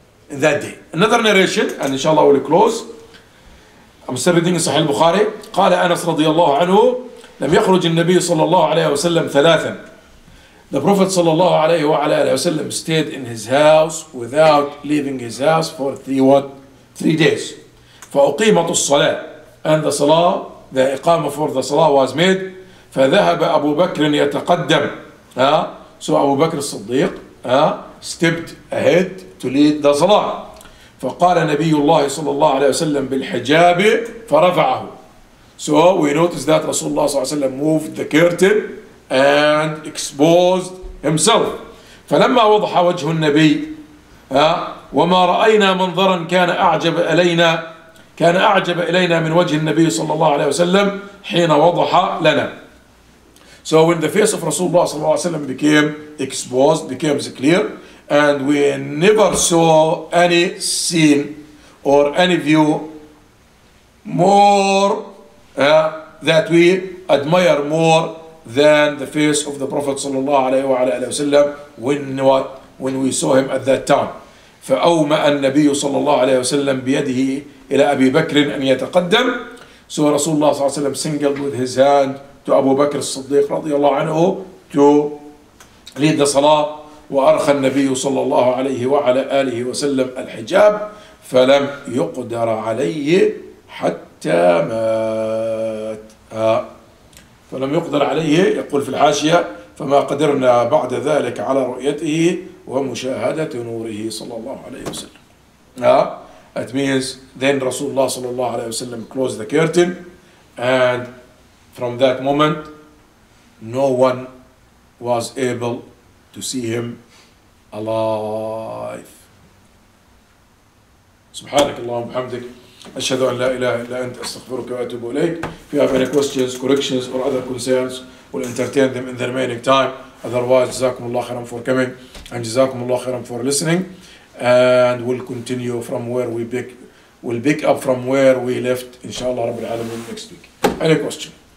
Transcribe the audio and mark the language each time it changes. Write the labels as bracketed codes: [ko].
[en] That day. Another narration and inshallah we'll close. I'm still reading in Sahih al-Bukhari. [ar] قال أنس رضي الله عنه لم يخرج النبي صلى الله عليه وسلم ثلاثا. [en] The Prophet صلى الله عليه وعلى آله وسلم stayed in his house without leaving his house for three days. [ar] فأقيمت الصلاة [en] and the salah the إقامة for the salah was made [ar] فذهب أبو بكر يتقدم. [en] ها سو أبو بكر الصديق stepped ahead to lead the salah. [ar] فقال نبي الله صلى الله عليه وسلم بالحجاب فرفعه. [en] So we notice that رسول الله صلى الله عليه وسلم moved the curtain and exposed himself. [ar] فلما وضح وجه النبي وما رأينا منظرا كان أعجب إلينا كان أعجب إلينا من وجه النبي صلى الله عليه وسلم حين وضح لنا. [en] So when the face of Rasulullah صلى الله عليه وسلم became exposed, became clear, and we never saw any scene or any view more that we admire more than the face of the Prophet صلى الله عليه وسلم when we saw him at that time. [ar] فأومأ النبي صلى الله عليه وسلم بيده إلى أبي بكر أن يتقدم. [en] So Rasulullah صلى الله عليه وسلم singled with his hand to Abu Bakr al-Siddiq رضي الله عنه to lead the salah. [ar] وأرخى النبي صلى الله عليه وعلى آله وسلم الحجاب فلم يقدر عليه حتى مات. فلم يقدر عليه, يقول في الحاشية, فما قدرنا بعد ذلك على رؤيته ومشاهدة نوره صلى الله عليه وسلم. [en] That means then Rasulullah صلى الله عليه وسلم closed the curtain and from that moment no one was able to see him alive. [ar] سبحانك اللهم وبحمدك أشهد أن لا إله إلا أنت أستغفرك وأتوب إليك. [en] If you have any questions, corrections or other concerns, we'll entertain them in the remaining time. Otherwise, [ar] جزاكم الله خيرا [en] for coming and جزاكم الله خيرا for listening. And we'll continue from where we pick, we'll pick up from where we left, inshallah, Rabbil Alameen, next week. Any question?